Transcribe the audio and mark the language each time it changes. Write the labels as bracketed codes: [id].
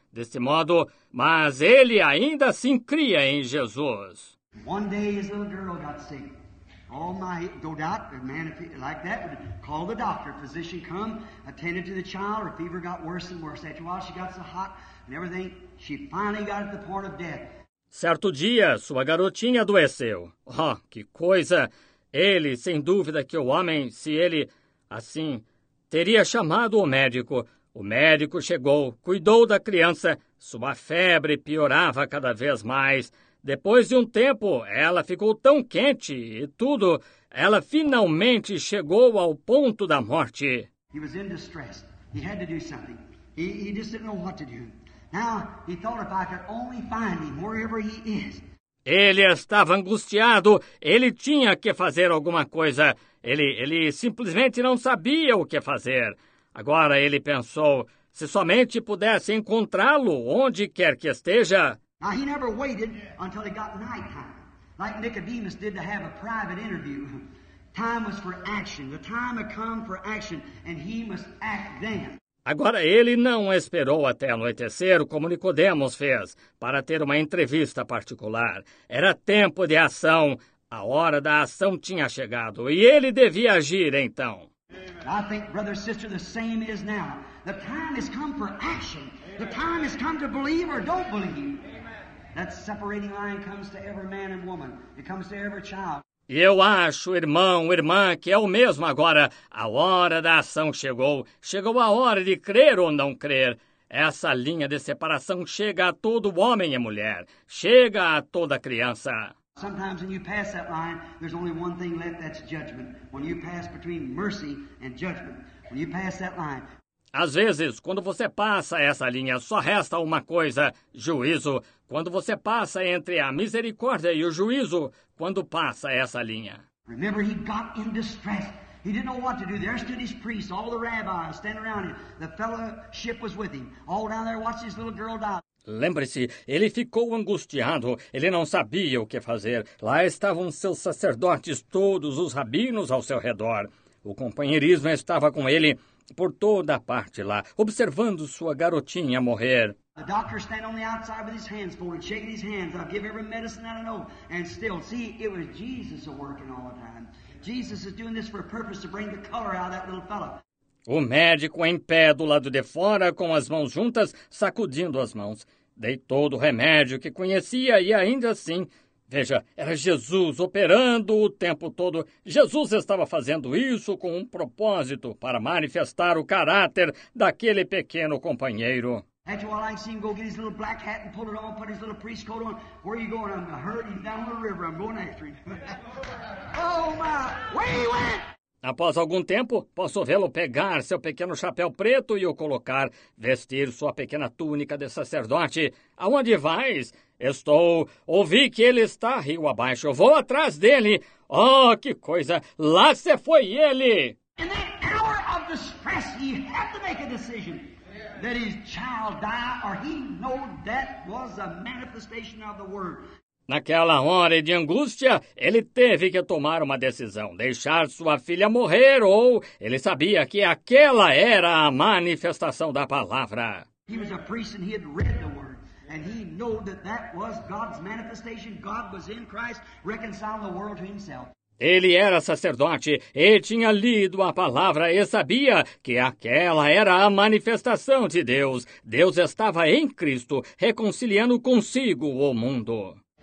[pt] Desse modo, mas ele ainda assim cria em Jesus. [en] One day his little girl got sick. All night, no doubt, a man like that would call the doctor. Physician come, attended to the child, her fever got worse and worse. After a while, she got so hot and everything, she finally got at the point of death. [pt] Certo dia, sua garotinha adoeceu. Oh, que coisa! Ele, sem dúvida que o homem, se ele, assim, teria chamado o médico. O médico chegou, cuidou da criança, sua febre piorava cada vez mais. Depois de um tempo, ela ficou tão quente e tudo, ela finalmente chegou ao ponto da morte. [en] He was in distress. He had to do something. He just didn't know what to do. Now, he thought if I could only find him wherever he is. [pt] Ele estava angustiado. Ele tinha que fazer alguma coisa. Ele simplesmente não sabia o que fazer. Agora ele pensou, se somente pudesse encontrá-lo onde quer que esteja. [en] Now, he never waited until it got night time, like Nicodemus did to have a private interview. Time was for action. The time had come for action, and he must act then. [pt] Agora, ele não esperou até anoitecer, como Nicodemos fez, para ter uma entrevista particular. Era tempo de ação. A hora da ação tinha chegado, e ele devia agir, então. [en] I think, brother, sister, the same is now. The time has come for action. The time has come to believe or don't believe. That separating line comes to every man and woman. It comes to every child. [pt] E eu acho, irmão, irmã, que é o mesmo agora. A hora da ação chegou. Chegou a hora de crer ou não crer. Essa linha de separação chega a todo homem e mulher. Chega a toda criança. [en] Sometimes when you pass that line, there's only one thing left, that's judgment. When you pass between mercy and judgment, when you pass that line. [pt] Às vezes, quando você passa essa linha, só resta uma coisa, juízo. Quando você passa entre a misericórdia e o juízo, quando passa essa linha. [en] Remember, he got in distress. He didn't know what to do. There stood his priests, all the rabbis, standing around him. The fellowship was with him. All down there watched his little girl die. [pt] Lembre-se, ele ficou angustiado. Ele não sabia o que fazer. Lá estavam seus sacerdotes, todos os rabinos ao seu redor. O companheirismo estava com ele por toda a parte lá, observando sua garotinha morrer. [en] The doctor standing on the outside with his hands folded, shaking his hands. I'll give every medicine that I know. And still, see, it was Jesus working all the time. Jesus is doing this for a purpose to bring the color out of that little fellow. [pt] O médico em pé do lado de fora, com as mãos juntas, sacudindo as mãos. Dei todo o remédio que conhecia e ainda assim, veja, era Jesus operando o tempo todo. Jesus estava fazendo isso com um propósito para manifestar o caráter daquele pequeno companheiro. [en] After all, I see him go get his little black hat and pull it on, put his little priest coat on. Where are you going? I'm hurt. He's down the river. I'm going after him. Oh, my. Where he went? [pt] Após algum tempo, posso vê-lo pegar seu pequeno chapéu preto e o colocar, vestir sua pequena túnica de sacerdote. Aonde vais? Estou. Ouvi que ele está rio abaixo. Vou atrás dele. Oh, que coisa! Lá se foi ele! [en] In the hour of distress, he had to make a decision. That his child die, or he knew that was a manifestation of the word. [pt] Naquela hora de angústia, ele teve que tomar uma decisão, deixar sua filha morrer, ou ele sabia que aquela era a manifestação da palavra. [en] He was a priest and he had read the word. And he knew that that was God's manifestation. God was in Christ, reconciling the world to himself. [pt] Ele era sacerdote e tinha lido a palavra e sabia que aquela era a manifestação de Deus. Deus estava em Cristo, reconciliando consigo o mundo.